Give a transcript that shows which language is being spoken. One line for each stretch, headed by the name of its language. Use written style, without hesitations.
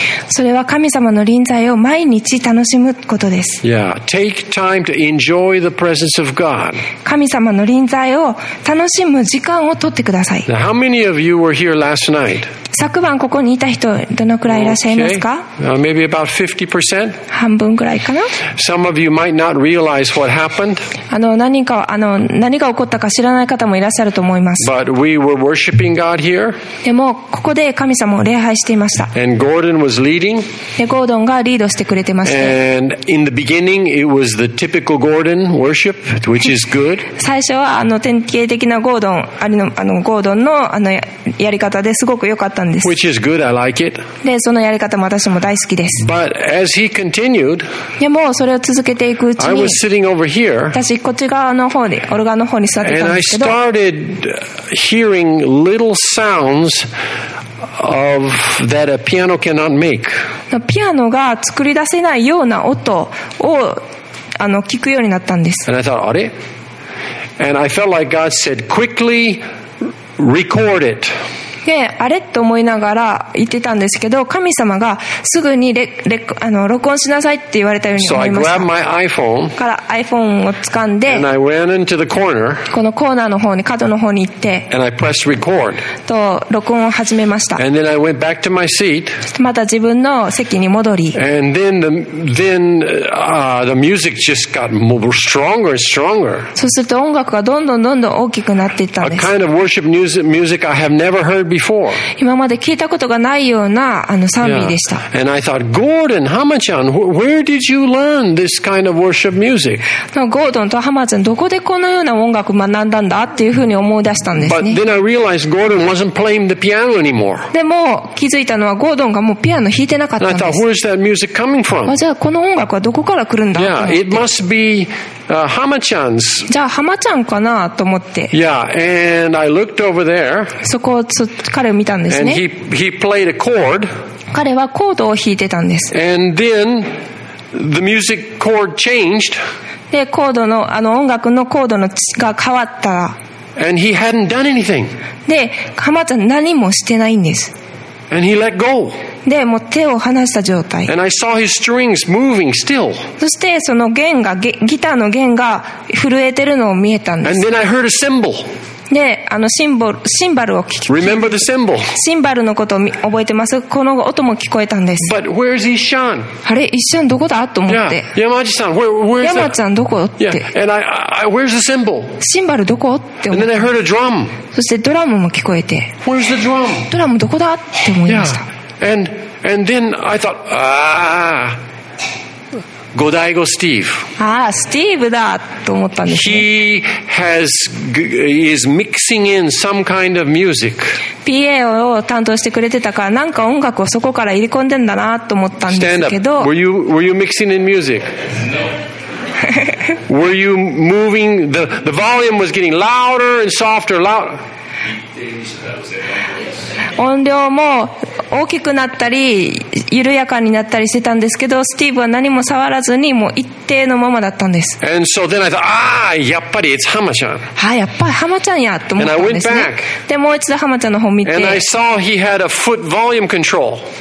Japanese: それは神様の臨在を毎日楽しむことです。神様の臨在を楽しむ時間をとってください。
English: How many of you were here last night?
Japanese: 昨晩ここにいた人どのくらいいらっしゃいますか、
English: okay. Maybe about 50%.
Japanese: 半分くらいかな。
English: Some of you might not realize what happened.
Japanese: 何が起こったか知らない方もいらっしゃると思います。
English: But we were worshiping God here.
Japanese: でもここで神様を礼拝していました。
English: And Gordon was leading.
Japanese: でゴードンがリードしてくれてまして。
English: And in the beginning it was the typical Gordon worship, which is good.
Japanese: 最初は典型的なゴードン、ゴードン の, やり方ですごく良かった。
English: Which is good. I like it.
Japanese: で、そのやり方も私も大好きです。
English: But as he continued,
Japanese: でもそれを続けていくうちに、
English: I was sitting over here,
Japanese: 私こっち側の方にオルガンの方に座ってたんですけど、
English: and I started hearing little sounds of that a piano cannot make.
Japanese: ピアノが作り出せないような音を聞くようになったんです。
English: And I thought,
Japanese: あれ?
English: And I felt like God said, quickly record it.
Japanese: であれと思いながら言ってたんですけど、神様がすぐに録音しなさいって言われたように思いました。
English: So I grabbed my iPhone,
Japanese: から iPhone を掴んで、
English: and I ran into the corner,
Japanese: このコーナーの方に角の方に行って、
English: and I pressed record,
Japanese: と録音を始めました。
English: and then I went back to my seat,
Japanese: また自分の席に戻り、
English: and then the music just got more stronger and stronger.
Japanese: そうすると音楽がどんどんどんどん大きくなっていったんです。
English: A kind of worship music I have never heard.
Japanese: 今まで聞いたことがないような賛美でした。
English: Yeah. And I thought, Gordon, Hamachan, where did you learn this kind of worship music?
Japanese: ゴードンとハマちゃん、どこでこのような音楽を学んだんだっていうふうに思い出したんですね。
English: But then I realized Gordon wasn't playing the piano anymore.
Japanese: でも気づいたのはゴードンがもうピアノ弾いてなかったんです。
English: And I thought, where's that music coming from?
Japanese: じゃあこの音楽はどこから来るんだ。
English: Yeah, it must beHamachan's.
Japanese: じゃあハマちゃんかなと思って。
English: Yeah, and I looked over there.
Japanese: そこを彼を見たんですね。
English: And he played a chord.
Japanese: 彼はコードを弾いてたんです。
English: And then the music chord changed.
Japanese: で、コードの音楽のコードのが変わったら。
English: And he hadn't done anything.
Japanese: で、ハマちゃん何もしてないんです。
English: And he let go.
Japanese: でもう手を離した状態。
English: And I saw his strings moving still.
Japanese: そしてその弦がギターの弦が震えてるのを見えたんです。
English: And then I heard a cymbal.
Japanese: でシンバルを聞き。
English: Remember the cymbal.
Japanese: シンバルのことを覚えてます。この音も聞こえたんです。
English: But where's Ishan?
Japanese: あれ、Ishanどこだと思って。
English: Yeah.
Japanese: 山地さん、
English: where's
Japanese: the... 山ちゃんどこって。
English: Yeah. And I where's the cymbal?
Japanese: シンバルどこって思って。
English: And then I heard a drum.
Japanese: そしてドラムも聞こえて。
English: Where's the drum?
Japanese: ドラムどこだって思いました。
English: Yeah. And then I thought, ah, Godaigo Steve.
Japanese: Ah, Steve だと思ったんですね。
English: He is mixing in some kind of music.
Japanese: PA を担当してくれてたから、なんか音楽をそこから入れ込んでんだなと思ったんですけど。
English: Stand up. Were you mixing in music? No. Were you moving? The volume was getting louder and softer, louder.
Japanese: 音量も大きくなったり緩やかになったりしてたんですけど、スティーブは何も触らずにもう一定のままだったんです。
English: And so then I thought, ah,
Japanese: やっぱり
English: it's Hamachan.
Japanese: あ、やっぱりハマちゃんやと思ったんですね。
English: And I went back.
Japanese: でもう一度ハマちゃんの方を見て、
English: And I saw he had a foot volume control.